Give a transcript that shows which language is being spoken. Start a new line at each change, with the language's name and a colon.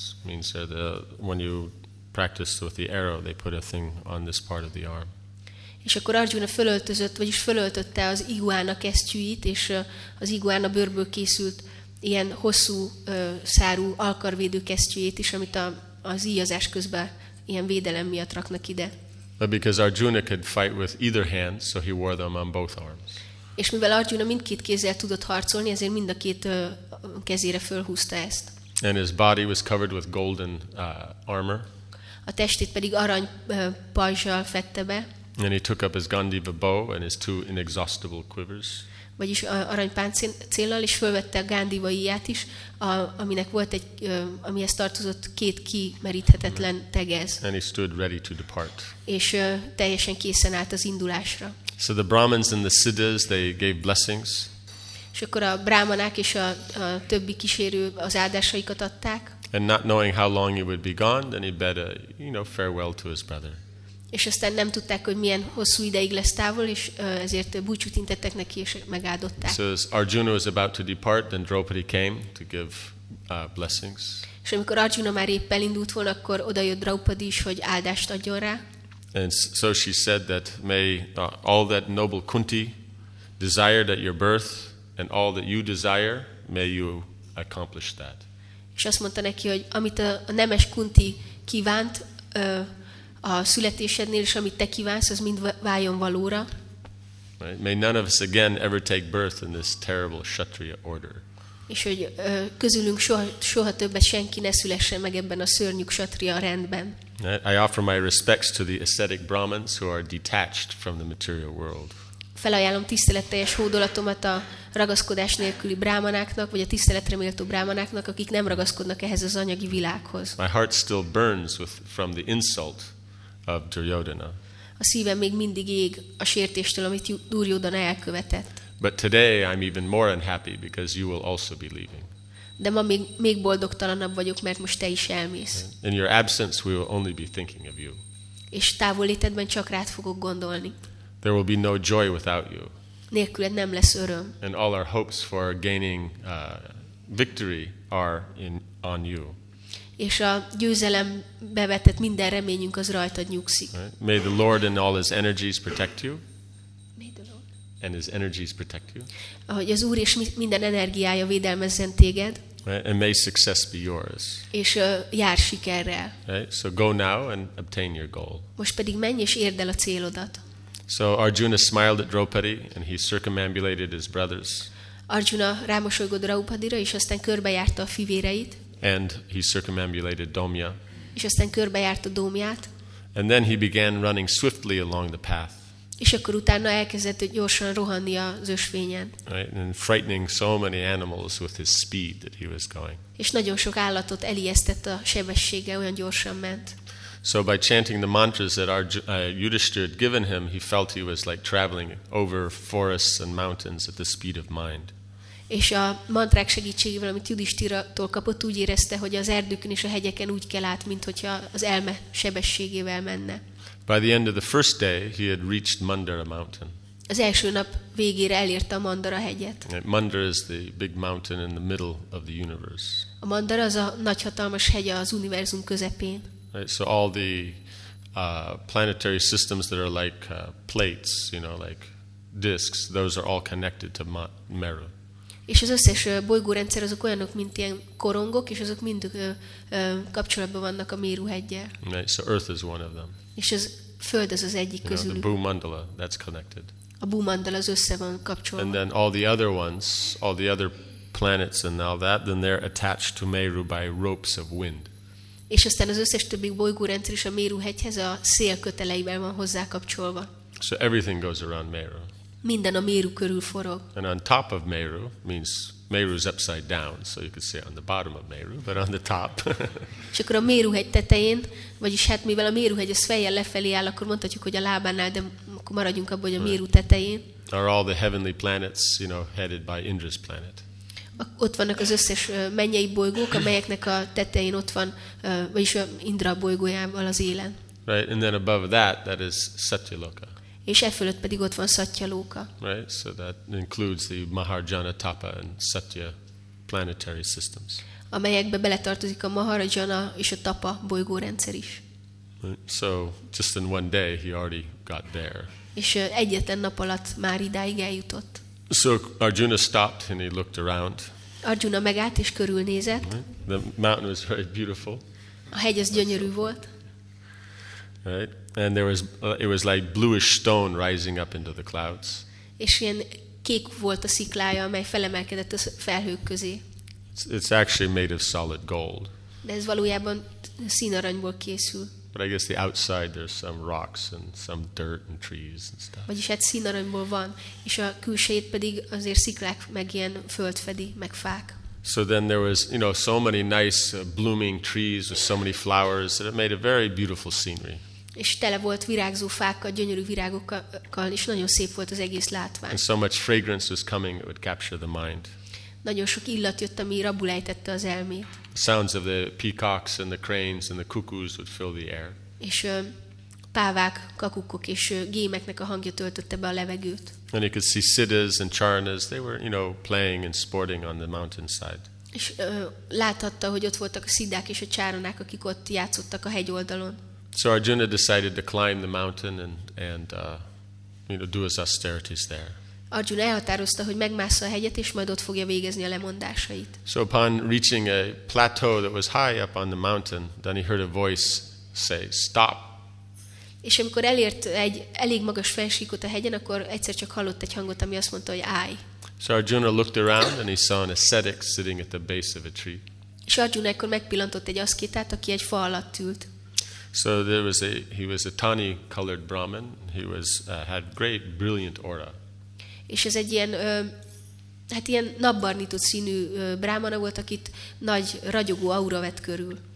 English: Means that when you practice with the arrow, they put a thing on this part of the arm.
Hungarian: És akkor Arjuna fölöltözött, vagyis fölöltötte az iguána kesztyűit, és az iguána bőrből készült ilyen hosszú szárú alkarvédő kesztyűjét is, amit az íjazás közben ilyen védelem miatt raknak ide.
English: But because Arjuna could fight with either hand, so he wore them on both arms.
Hungarian: És mivel Arjuna mindkét kézzel tudott harcolni, ezért mind a két kezére fölhúzta ezt.
English: And his body was covered with golden armor.
Hungarian: A testét pedig arany pajzssal fette be.
English: And he took up his Gandiva bow and his two inexhaustible quivers.
Hungarian: Vagyis arany páncéllal is fölvette a Gandiva íját is, aminek volt egy, amihez tartozott két kimeríthetetlen tegez.
English: And he stood ready to depart.
Hungarian: És teljesen készen állt az indulásra.
English: So the Brahmins and the Siddhas, they gave blessings.
Hungarian: És akkor a brámanák és a többi kísérő az áldásaikat adták.
English: And not knowing how long he would be gone, then he bade a, you know, farewell to his brother.
Hungarian: És aztán nem tudták, hogy milyen hosszú ideig lesz távol, és ezért búcsút intettek neki, és megáldották.
English: So as Arjuna was about to depart, then Draupadi came to give blessings.
Hungarian: És amikor Arjuna már épp elindult volna, akkor odajött Draupadi is, hogy áldást adjon rá.
English: And so she said that may all that noble Kunti desired at your birth, and all that you desire, may you accomplish that.
Hungarian: És azt mondta neki, hogy amit a nemes Kunti kívánt a születésednél, és amit te kívánsz, az mind váljon valóra.
English: Right? May none of us again ever take birth in this terrible Kshatriya order.
Hungarian: És hogy közülünk soha többet senki ne szülessen meg ebben a szörnyű Kshatriya rendben.
English: I offer my respects to the ascetic Brahmins who are detached from the material world.
Hungarian: Felajánlom tiszteletteljes hódolatomat a ragaszkodás nélküli brámanáknak, vagy a tiszteletre méltó brámanáknak, akik nem ragaszkodnak ehhez az anyagi világhoz.
English: My heart still burns from the insult of Duryodhana.
Hungarian: A szívem még mindig ég a sértéstől, amit Duryodhana elkövetett.
English: But today I'm even more unhappy because you will also be leaving.
Hungarian: De ma még boldogtalanabb vagyok, mert most te is elmész.
English: In your absence we will only be thinking of you.
Hungarian: És távolétedben csak rád fogok gondolni.
English: There will be no joy without you.
Hungarian: Nélküled nem lesz öröm.
English: And all our hopes for gaining victory are on you.
Hungarian: És a győzelembe vetett minden reményünk az rajtad nyugszik.
English: May the Lord and all his energies protect you. May the Lord and his energies protect you.
Hungarian: Ahogy az Úr és minden energiája védelmezzen téged.
English: And may success be yours.
Hungarian: És jár sikerrel.
English: Right? So go now and obtain your goal.
Hungarian: Most pedig menj és érd el a célodat.
English: So Arjuna smiled at Draupadi and he circumambulated his brothers.
Hungarian: Arjuna rámosolygott Draupadira és aztán körbejárta a fivéreit.
English: And he circumambulated Domya.
Hungarian: És aztán körbejárta Domyát.
English: And then he began running swiftly along the path.
Hungarian: És akkor utána elkezdett gyorsan rohanni az ösvényen.
English: Right, and frightening so many animals with his speed that he was going.
Hungarian: És nagyon sok állatot elijesztett a sebessége, olyan gyorsan ment.
English: So by chanting the mantras that Yudhishthira had given him, he felt he was like traveling over forests and mountains at the speed of mind.
Hungarian: És a mantrák segítségével, amit Yudhishthirától kapott, úgy érezte, hogy az erdőkön és a hegyeken úgy kell át, mint hogyha az elme sebességével menne.
English: By the end of the first day, he had reached Mandara mountain.
Hungarian: Az első nap végére elérte a Mandara hegyet.
English: Mandara is the big mountain in the middle of the universe.
Hungarian: A Mandara az a nagy hatalmas hegye az univerzum közepén.
English: Right, so all the planetary systems that are like plates, you know, like disks, those are all connected to Meru.
Hungarian: És az összes bolygórendszer azok olyanok, mint ilyen korongok, és azok mind kapcsolatban vannak a Meru hegyel.
English: Right, so Earth is one of them.
Hungarian: És az Föld az egyik közülük.
English: You know, the Bhumandala, that's connected.
Hungarian: A Bhumandala az össze van kapcsolva.
English: And then all the other ones, all the other planets and all that, then they're attached to Meru by ropes of wind.
Hungarian: És aztán az összes többi bolygórendszer is a Méruhegyhez a szél köteleivel van hozzá kapcsolva.
English: So everything goes around Meru.
Hungarian: Minden a Meru körül forog.
English: And on top of Meru means Meru's upside down, so you could say on the bottom of Meru, but on the top.
Hungarian: És akkor a Méruhegy tetején, vagyis hát mivel a Méruhegy a fejjel lefelé áll, akkor mondhatjuk, hogy a lábánál, de akkor maradjunk abban, hogy a Meru tetején.
English: Are all the heavenly planets, you know, headed by Indra's planet?
Hungarian: Ott vannak az összes mennyei bolygók, amelyeknek a tetején ott van, vagyis Indra bolygójával az élen.
English: Right, and then above that is Satyaloka.
Hungarian: És e fölött pedig ott van Satyaloka.
English: Right, so that includes the Maharjana Tapa and Satya planetary systems.
Hungarian: Amelyekbe beletartozik a Maharjana és a Tapa bolygórendszer is.
English: So just in one day he already got there.
Hungarian: És egyetlen nap alatt már idáig eljutott.
English: So Arjuna stopped and he looked around.
Hungarian: Arjuna megállt és körülnézett.
English: The mountain was very beautiful.
Hungarian: A hegy az gyönyörű volt.
English: Right? And there was it was like bluish stone rising up into the clouds.
Hungarian: És ilyen kék volt a sziklája, amely felemelkedett a felhők közé.
English: It's actually made of solid gold.
Hungarian: De ez valójában színaranyból készül.
English: But I guess the outside there's some rocks and some dirt and trees and stuff.
Hungarian: Vagyis egy színaranyból van, és a külsejét pedig azért sziklák meg ilyen föld fedi, meg fák.
English: So then there was, you know, so many nice blooming trees with so many flowers that it made a very beautiful scenery.
Hungarian: És tele volt virágzó fákkal, gyönyörű virágokkal, és nagyon szép volt az egész látvány.
English: And so much fragrance was coming, it would capture the mind.
Hungarian: Nagyon sok illat jött, ami rabul ejtette az elmét.
English: Sounds of the peacocks and the cranes and the cuckoos would fill the air.
Hungarian: És pávák, kakukkok és gémeknek a hangja töltötte be a levegőt.
English: And you could see siddhas and charanas, they were, you know, playing and sporting on the mountainside.
Hungarian: És láthatta, hogy ott voltak a siddhák és a csáronák, akik ott játszottak a hegy oldalon.
English: So Arjuna decided to climb the mountain and do his austerities there.
Hungarian: Arjuna elhatározta, hogy megmássza a hegyet és majd ott fogja végezni a lemondásait.
English: So upon reaching a plateau that was high up on the mountain, then he heard a voice say, "Stop."
Hungarian: És amikor elért egy elég magas fennsíkot a hegyen, akkor egyszer csak hallott egy hangot, ami azt mondta, hogy állj.
English: So Arjuna looked around and he saw an ascetic sitting at the base of a tree.
Hungarian: És Arjuna ekkor megpillantott egy aszkétát, aki egy fa alatt ült.
English: So there was he was a tawny colored Brahmin. He was had great brilliant aura.
Hungarian: És ez egy ilyen ilyen napbarnított színű brámana volt, akit nagy ragyogó aura vett körül.